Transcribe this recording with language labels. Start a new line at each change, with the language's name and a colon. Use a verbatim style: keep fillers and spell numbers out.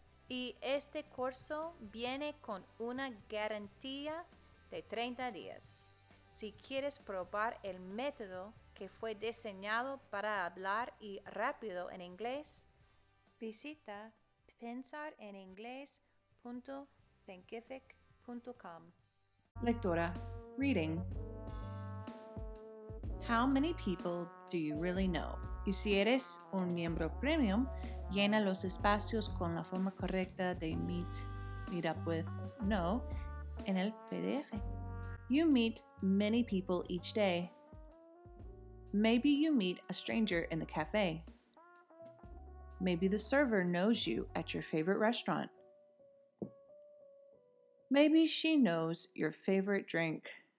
Spanish: Y este curso viene con una garantía de treinta días. Si quieres probar el método que fue diseñado para hablar y rápido en inglés, visita pensar en inglés punto thinkific punto com. Lectura.
English: Reading. How many people do you really know?
Spanish: Y si eres un miembro premium, llena los espacios con la forma correcta de meet, meet up with, know en el P D F.
English: You meet many people each day. Maybe you meet a stranger in the cafe. Maybe the server knows you at your favorite restaurant. Maybe she knows your favorite drink.